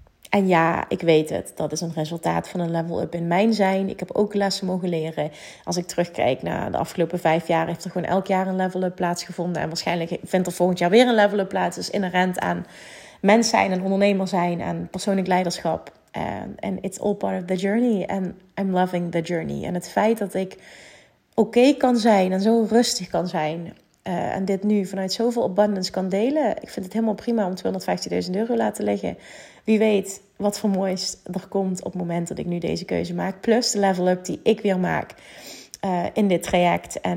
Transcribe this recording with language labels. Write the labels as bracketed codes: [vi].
[nl] En ja, ik weet het. Dat is een resultaat van een level up in mijn zijn. Ik heb ook lessen mogen leren. Als ik terugkijk naar de afgelopen 5 jaar, heeft er gewoon elk jaar een level up plaatsgevonden. En waarschijnlijk vindt er volgend jaar weer een level up plaats. Dus inherent aan mens zijn en ondernemer zijn en persoonlijk leiderschap. [en] En it's all part of the journey. And I'm loving the journey. [nl] En het feit dat ik okay kan zijn en zo rustig kan zijn. En dit nu vanuit zoveel abundance kan delen. Ik vind het helemaal prima om 250.000 euro laten liggen. Wie weet wat voor moois er komt op het moment dat ik nu deze keuze maak. Plus de level up die ik weer maak in dit traject.